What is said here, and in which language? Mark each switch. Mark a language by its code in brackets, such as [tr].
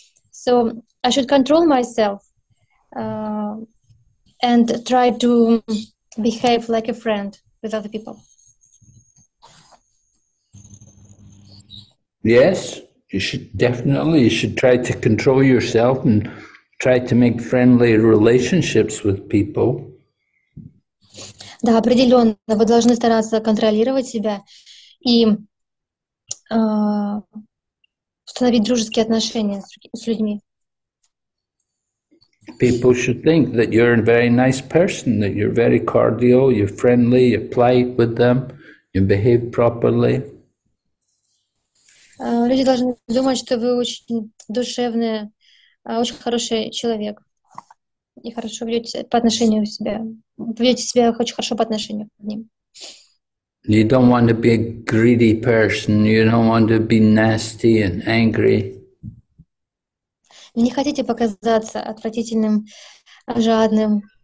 [en] So I should control myself and try to behave like a friend with other people. Yes. You should definitely, you should try to control yourself and try to make friendly relationships with people. [ru] Да, определенно. Вы должны стараться контролировать себя и установить дружеские отношения с людьми. [en] People should think that you're a very nice person, that you're very cordial, you're friendly, you're polite with them, you behave properly. [ru] Люди должны думать, что вы очень душевные, очень хороший человек. И хорошо ведете по отношению к себе. Ведете себя очень хорошо по отношению к ним. [en] You don't want to be a greedy person. You don't want to be nasty and angry. [ru] Вы не хотите показаться отвратительным, жадным.